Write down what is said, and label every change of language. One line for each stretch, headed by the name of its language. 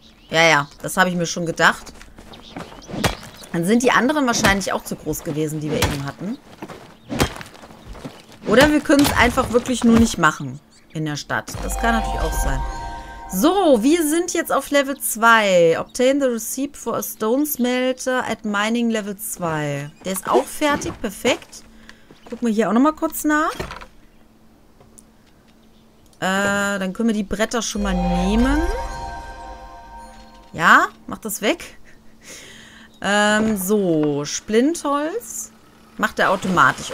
German: Ja, ja, das habe ich mir schon gedacht. Dann sind die anderen wahrscheinlich auch zu groß gewesen, die wir eben hatten. Oder wir können es einfach wirklich nur nicht machen in der Stadt. Das kann natürlich auch sein. So, wir sind jetzt auf Level 2.
English: Obtain the receipt for a stone smelter at mining level 2.
German: Der ist auch fertig, perfekt. Gucken wir hier auch nochmal kurz nach. Dann können wir die Bretter schon mal nehmen. Ja, mach das weg. So, Splintholz. Macht er automatisch.